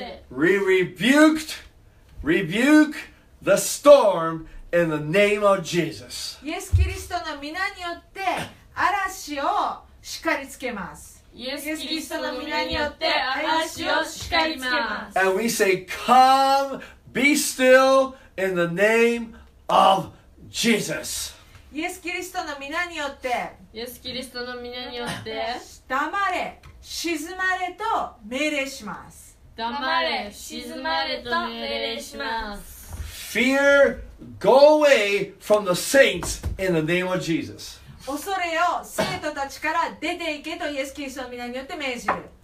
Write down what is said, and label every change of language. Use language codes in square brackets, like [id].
[en] We rebuked, rebuke the storm in the name of Jesus. [ja] イエス・キリストの御名によって嵐を叱りつけます。イエス・キリストの御名によって嵐を叱りつけます。 [en] And we say, "Come, be still in the name of Jesus." [ja] イエス・キリストの皆によって、イエス・キリストの皆によって、黙れ、静まれと命令します。黙れ、静まれと命令します。 [en] Fear, go away from the saints in the name of Jesus. [ja] 恐れよ、生徒たちから出て行けとイエスキリストの名によって命じる。